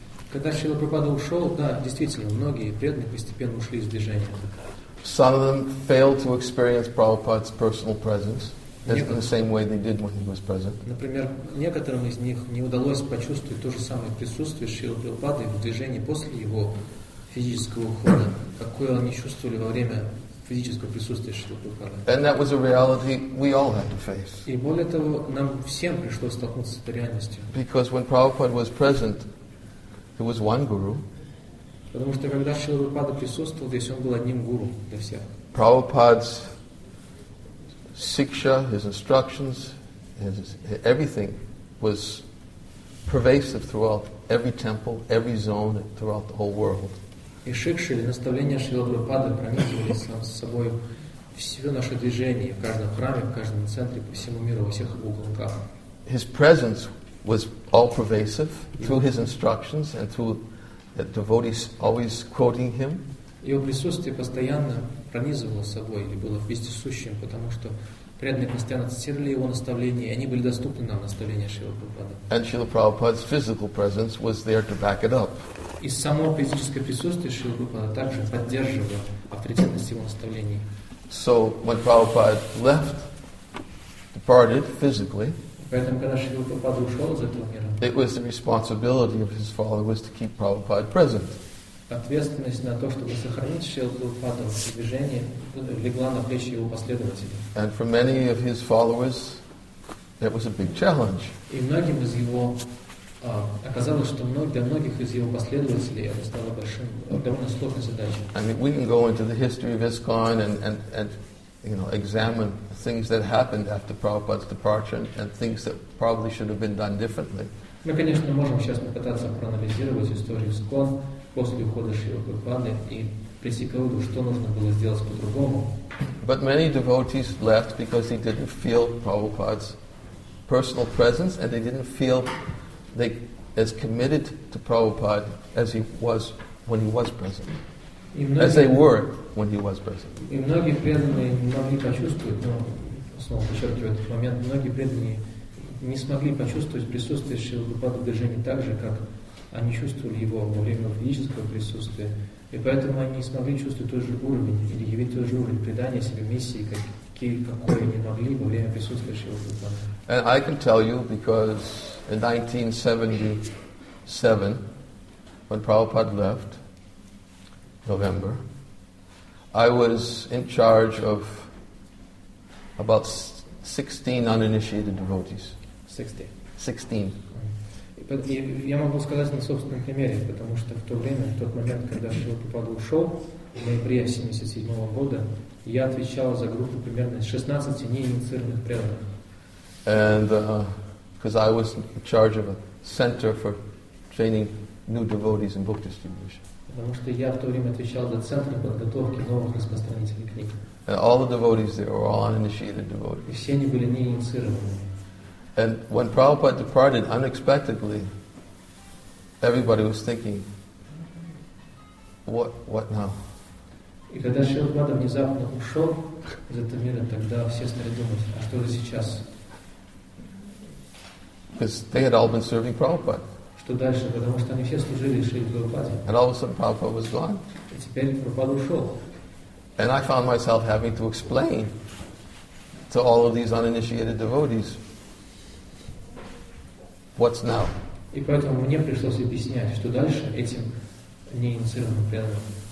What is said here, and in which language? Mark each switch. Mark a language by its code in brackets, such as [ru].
[ru] Когда Шрила Прабхупада ушел, да, действительно, многие преданные постепенно ушли из движения. [en] Some of them failed to experience Prabhupada's personal presence. In the same way they did when he was present. [ru] Например, некоторым из них не удалось почувствовать то же самое присутствие Шрилы Прабхупады в движении после его физического ухода, какое они чувствовали во время физического присутствия Шрилы Прабхупады. [en] And that was a reality we all had to face. [ru] И более того, нам всем пришлось столкнуться с этой реальностью. [en] Because when Prabhupada was present, there was one guru. [ru] Потому что когда Шрила Прабхупада присутствовал, здесь он был одним гуру для всех. [en] Prabhupada's Siksha, his instructions, his everything was pervasive throughout every temple, every zone, throughout the whole world. [ru] И шикши, или наставления Шрилы Прабхупады пронизывали с собой все наше движение в каждом храме, в каждом центре, по всему миру, во всех уголках. [en] His presence was all pervasive through his instructions and through the devotees always quoting him. [ru] Его присутствие постоянно пронизывало собой или было вездесущим, потому что преданные постоянно цитировали его наставления, и они были доступны нам, наставления Шрилы Прабхупады. [en] And Srila Prabhupada's physical presence was there to back it up. [ru] И само физическое присутствие Шрилы Прабхупады также поддерживало авторитетность его наставлений. [en] So when Prabhupada left, departed physically, [ru] поэтому, когда Шрила Прабхупада ушел из этого мира, [en] it was the responsibility of his followers to keep Prabhupada present. [ru] Ответственность на то, чтобы сохранить Шрилу Прабхупаду в движении, легла на плечи его последователей. [en] And for many of his followers, it was a big challenge. [ru] И многим из его оказалось, что для многих из его последователей это стало большим, довольно сложной задачей. [en] I mean, we can go into the history of ISKCON and you know, examine things that happened after Prabhupada's departure and things that probably should have been done differently. [ru] Мы, конечно, можем сейчас попытаться проанализировать историю ISKCON после ухода Шрилы Прабхупады и прийти к выводу, что нужно было сделать по-другому. [en] But many devotees left because they didn't feel Prabhupada's personal presence and they didn't feel they as committed to Prabhupada as he was when he was present. As they were when he was present. [ru] И многие преданные не могли почувствовать, но снова подчеркиваю этот момент, многие преданные не смогли почувствовать присутствие Шрилы Прабхупады в движении так же, как они чувствовали его во время физического присутствия, и поэтому они не смогли чувствовать тот же уровень или явить тот же уровень предания себе миссии, какой они могли во время присутствия Шрилы Прабхупады. [en] And I can tell you, because in 1977, when Prabhupada left, November, I was in charge of about 16 uninitiated devotees. 16. [ru] 16. Я могу сказать на собственном примере, потому что в то время, в тот момент, когда Шрила ушел, в ноябре 1977 года, я отвечал за группу примерно 16 неинициированных преданных. [en] And because I was in charge of a center for training new devotees in book distribution. [ru] Потому что я в то время отвечал за центр подготовки новых распространителей книг. [en] And all the devotees there were all uninitiated devotees. [ru] И все они были неинициированными. [en] And when Prabhupada departed unexpectedly, everybody was thinking, what now? [ru] И когда Шрила внезапно ушел из этого мира, тогда все стали думать, а что же сейчас? [en] Because they had all been serving Prabhupada. [ru] Что дальше? Потому что они все служили Шриле Прабхупаде. [en] And all of a sudden Prabhupada was gone. [ru] И теперь Прабхупада ушел. [en] And I found myself having to explain to all of these uninitiated devotees, what's now? [ru] И поэтому мне пришлось объяснять, что дальше этим неинициированным преданным.